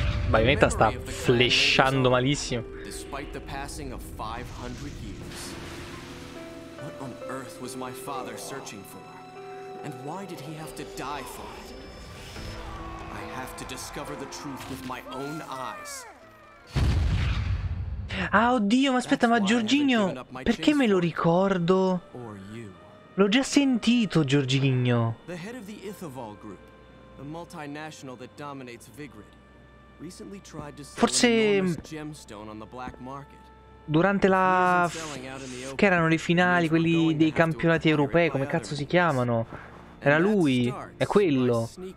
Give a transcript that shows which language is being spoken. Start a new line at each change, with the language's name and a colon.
Italian: Bayonetta sta flashando malissimo.
English: Despite the passing of 500 years, what on earth was my father searching for? And why did he have to die for it? I have to discover the truth with my own eyes.
Italian: Ah, oddio, ma aspetta, ma Giorginio, perché me lo ricordo? L'ho già sentito, Giorginio.
English: The head of the Ithaval group, the multinational that dominates Vigrid, recently tried to
Italian: forse
English: gemstone on the black market.
Italian: Durante la che erano le finali, quelli dei campionati europei, come cazzo si chiamano? Era lui, è quello.